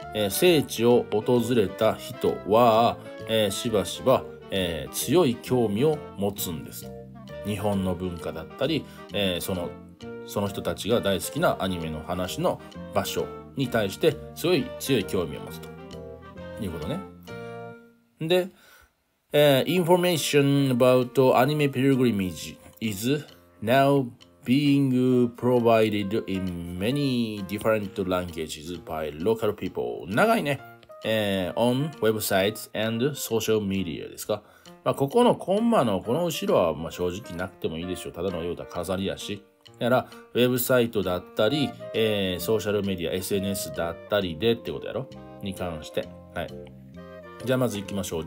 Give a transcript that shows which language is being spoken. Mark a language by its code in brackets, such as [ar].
[ja] 聖地を訪れた人は、しばしば、強い興味を持つんです。日本の文化だったり、その人たちが大好きなアニメの話の場所に対して強い興味を持つということね。 [en] で、information about anime pilgrimage is now being provided in many different languages by local people. [ja] 長いね。 [en] on websites and social media [ja] ですか。まあ、ここのコンマのこの後ろはまあ正直なくてもいいでしょう。ただのようだ飾りやし。だから、ウェブサイトだったり、ソーシャルメディア、SNS だったりでってことやろ。に関して。はい。じゃあまず行きましょう。